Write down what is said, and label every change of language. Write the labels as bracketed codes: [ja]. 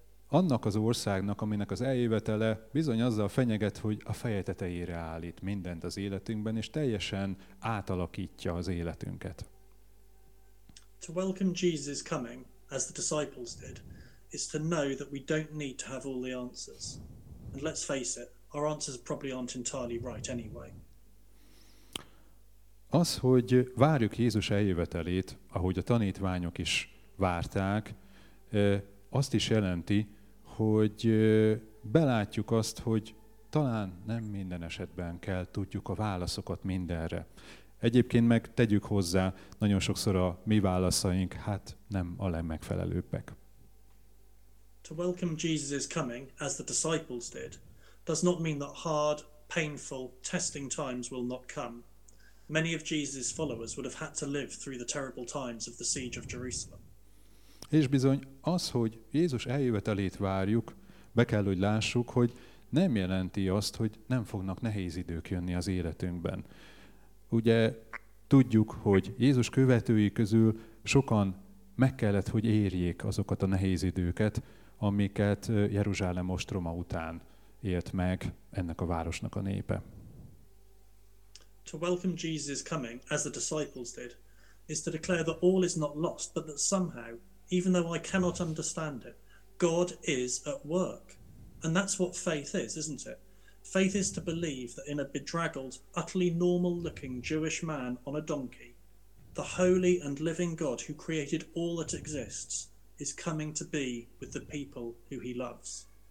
[hu] Annak az országnak, aminek az eljövetele bizony azzal fenyeget, hogy a feje tetejére állít mindent az életünkben, és teljesen átalakítja az életünket. [en] To welcome Jesus' coming, as the disciples did, is to know that we don't need to have all the answers. And let's face it, our answers probably aren't entirely right anyway. [hu] Az, hogy várjuk Jézus eljövetelét, ahogy a tanítványok is várták, azt is jelenti, hogy belátjuk azt, hogy talán nem minden esetben kell tudjuk a válaszokat mindenre. Egyébként meg tegyük hozzá, nagyon sokszor a mi válaszaink, hát nem a legmegfelelőbbek. [en] To welcome Jesus' coming, as the disciples did, does not mean that hard, painful, testing times will not come. Many of Jesus' followers would have had to live through the terrible times of the siege of Jerusalem. [hu] És bizony az, hogy Jézus eljövetelét várjuk, be kell, hogy lássuk, hogy nem jelenti azt, hogy nem fognak nehéz idők jönni az életünkben. Ugye tudjuk, hogy Jézus követői közül sokan meg kellett, hogy érjék azokat a nehéz időket, amiket Jeruzsálem ostroma után élt meg ennek a városnak a népe. [en] To welcome Jesus' coming, as the disciples did, is to declare that all is not lost, but that somehow, even though I cannot understand it, God is at work. And that's what faith is, isn't it? Faith is to believe that in a bedraggled, utterly normal-looking Jewish man on a donkey, the holy and living God who created all that exists is coming to be with the people who he loves.